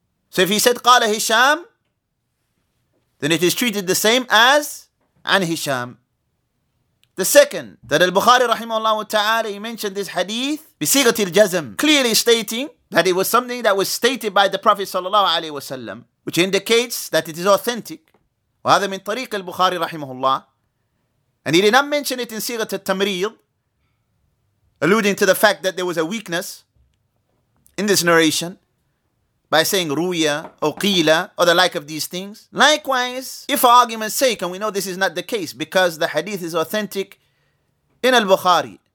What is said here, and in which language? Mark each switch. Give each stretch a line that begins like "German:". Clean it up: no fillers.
English: So if he said qala Hisham, then it is treated the same as an Hisham. The second, that al-Bukhari rahimahullah ta'ala, he mentioned this hadith bisighati al-jazm, clearly stating that it was something that was stated by the Prophet sallallahu alayhi wa sallam, which indicates that it is authentic.
Arabic: وهذا من طريق البخاري رحمه الله.
English: And he did not mention it in sighat al-tamrid, alluding to the fact that there was a weakness in this narration by saying ruya or qila or the like of these things. Likewise, if for argument's sake, and we know this is not the case because the hadith is authentic in al-Bukhari.